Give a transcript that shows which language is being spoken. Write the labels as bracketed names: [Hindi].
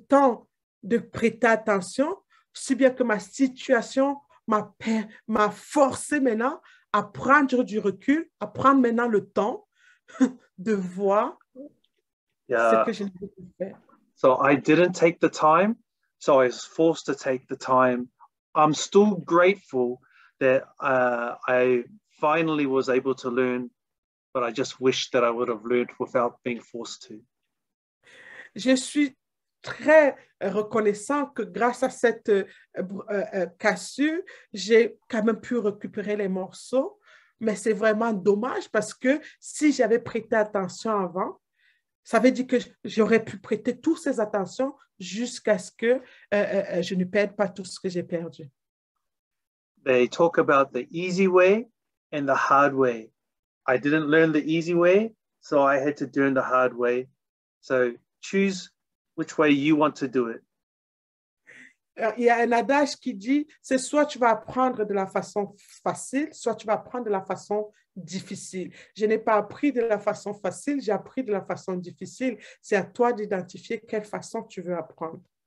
[French] Je n'ai pas pris le temps de prêter attention, si bien que ma situation m'a forcé maintenant à prendre du recul, à prendre maintenant le temps de voir ce que je n'ai pas fait. [English] So I didn't take the time, so I was forced to take the time. I'm still grateful that I finally was able to learn, but I just wish that I would have learned without being forced to. [French] Je suis très reconnaissant que grâce à cette cassure, j'ai quand même pu récupérer les morceaux, mais c'est vraiment dommage parce que si j'avais prêté attention avant, ça veut dire que j'aurais pu prêter toutes ces attentions jusqu'à ce que je ne perde pas tout ce que j'ai perdu. [English] They talk about the easy way and the hard way. I didn't learn the easy way, so I had to learn the hard way. So choose which way you want to do it. [French] Il y a un adage qui dit, c'est soit tu vas apprendre de la façon facile, soit tu vas apprendre de la façon difficile. Je n'ai pas appris de la façon facile, j'ai appris de la façon difficile. C'est à toi d'identifier quelle façon tu veux apprendre.